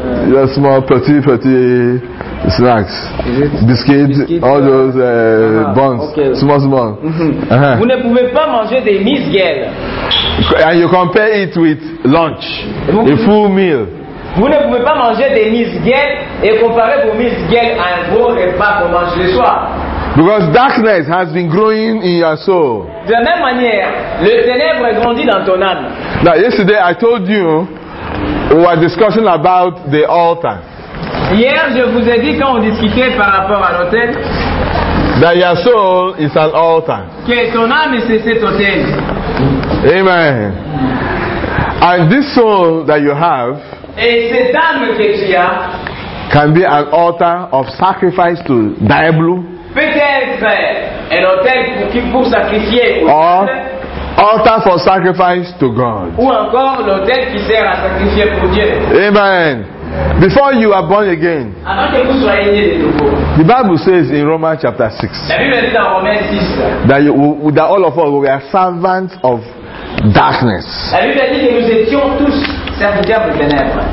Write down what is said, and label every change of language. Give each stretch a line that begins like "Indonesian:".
English: Your small petit snacks, biscuits, all those buns, okay. small. Mm-hmm.
French: Uh-huh. Vous ne pouvez pas manger des misgels.
English: And you compare it with lunch, a full meal.
French: Vous ne pouvez pas manger des misgels et comparer vos misgels à un gros repas pour manger le soir.
English: Because darkness has been growing in your soul.
French: De la même manière, le ténèbre grandit dans ton âme.
English: Now, yesterday I told you. We were discussing about the altar.
French: Hier, je vous ai dit quand on discutait par rapport à l'autel.
English: That your soul is an altar.
French: Que ton âme est cet autel.
English: Amen. And this soul that you have.
French: Et cette âme que tu as.
English: Can be an altar of sacrifice to Diablo.
French: Peut-être un autel pour sacrifier.
English: Or, altar for sacrifice to God.
French: Ou encore l'autel qui sert à sacrifier pour Dieu.
English: Amen. Before you are born again.
French: Avant que vous soyez né de nouveau.
English: The Bible says in Romans chapter 6.
French: La Bible dit dans Romains 6.
English: That all of us we are servants of darkness.
French: La Bible dit que nous étions tous serviteurs de ténèbres.